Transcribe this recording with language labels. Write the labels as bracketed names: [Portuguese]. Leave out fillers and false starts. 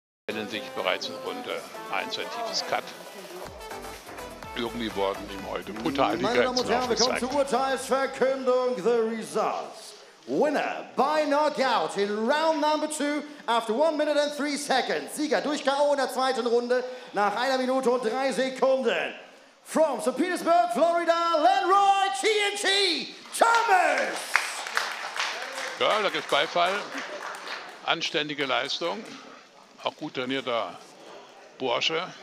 [German] Nennen sich bereits in Runde 1 ein tiefes Cut. Irgendwie wurden ihm heute brutal die Grenzen aufgezeigt. Meine Damen und Herren, willkommen zur Urteilsverkündung. [English] The results. Winner by knockout in round number 2 after 1 minute and 3 seconds. [German] Sieger durch K.O. in der zweiten Runde nach 1 Minute und 3 Sekunden. [English] From St. Petersburg, Florida, Lenroy TNT Thomas. [German] Ja, da gibt es Beifall. Anständige Leistung. Auch gut trainierter Bursche.